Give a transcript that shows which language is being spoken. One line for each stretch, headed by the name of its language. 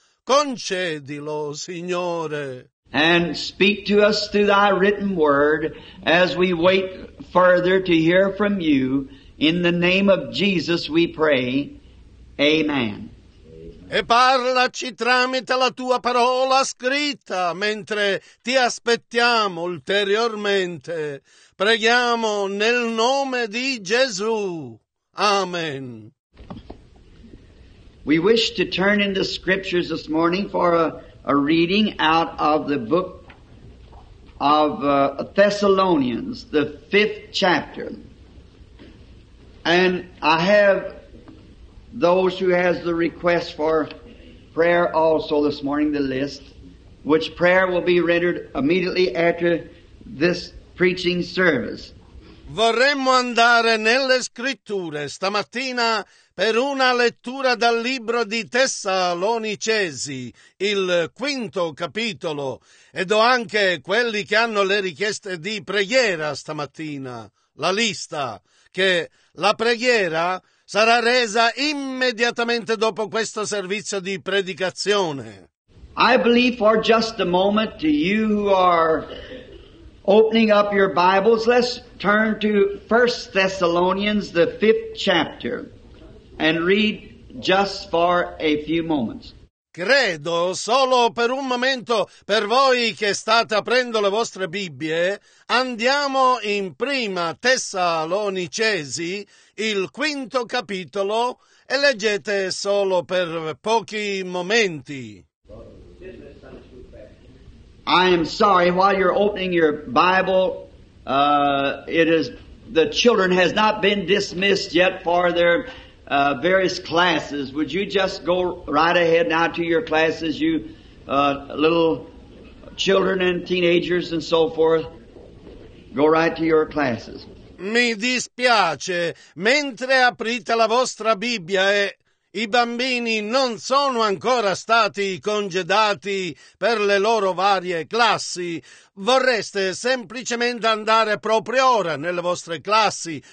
Italian: Concedilo, Signore.
English: And speak to us through thy written word as we wait further to hear from you. In the name of Jesus we pray. Amen.
Italian: E parlaci tramite la tua parola scritta mentre ti aspettiamo ulteriormente. Preghiamo nel nome di Gesù. Amen.
English: We wish to turn in the scriptures this morning for a reading out of the book of Thessalonians, the fifth chapter. And I have those who has the request for prayer also this morning, the list, which prayer will be rendered immediately after this preaching service.
Italian: Vorremmo andare nelle scritture stamattina per una lettura dal libro di Tessalonicesi, il quinto capitolo, ed ho anche quelli che hanno le richieste di preghiera stamattina, la lista, che la preghiera sarà resa immediatamente dopo questo servizio di predicazione.
English: I believe for just a moment to you who are opening up your Bibles, let's turn to 1 Thessalonians, the fifth chapter, and read just for a few moments.
Italian: Credo solo per un momento, per voi che state aprendo le vostre Bibbie, andiamo in prima Tessalonicesi, il quinto capitolo, e leggete solo per pochi momenti.
English: I am sorry, while you're opening your Bible, the children has not been dismissed yet for their various classes. Would you just go right ahead now to your classes, you little children and teenagers and so forth? Go right to your classes.
Italian: Mi dispiace, mentre aprite la vostra Bibbia e i bambini non sono ancora stati congedati per le loro varie classi. Vorreste semplicemente andare proprio ora nelle vostre classi.